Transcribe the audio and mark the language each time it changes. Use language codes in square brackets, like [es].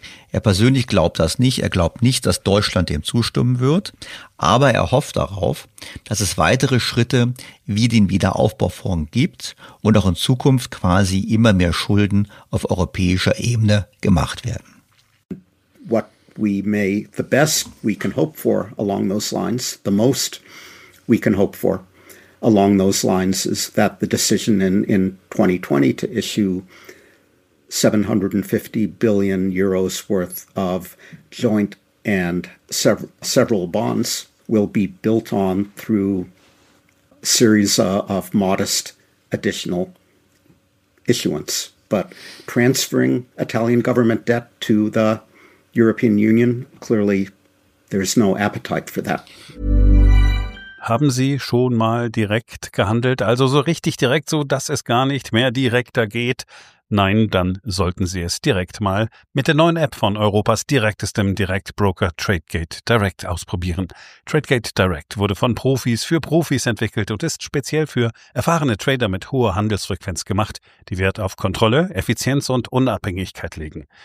[de] Er persönlich glaubt das nicht, er glaubt nicht, dass Deutschland dem zustimmen wird, aber er hofft darauf, dass es weitere Schritte wie den Wiederaufbaufonds gibt und auch in Zukunft quasi immer mehr Schulden auf europäischer Ebene gemacht werden. [en] The best we can hope for along those lines, the most we can hope for along those lines is that the decision in 2020 to issue 750 billion euros worth of joint and several bonds will be built on through a series of modest additional issuance. But transferring Italian government debt to the European Union, clearly there's no appetite for that. [de] Haben Sie schon mal direkt gehandelt? Also so richtig direkt, so dass es gar nicht mehr direkter geht? Nein, dann sollten Sie es direkt mal mit der neuen App von Europas direktestem Direktbroker Tradegate Direct ausprobieren. Tradegate Direct wurde von Profis für Profis entwickelt und ist speziell für erfahrene Trader mit hoher Handelsfrequenz gemacht, die Wert auf Kontrolle, Effizienz und Unabhängigkeit legen.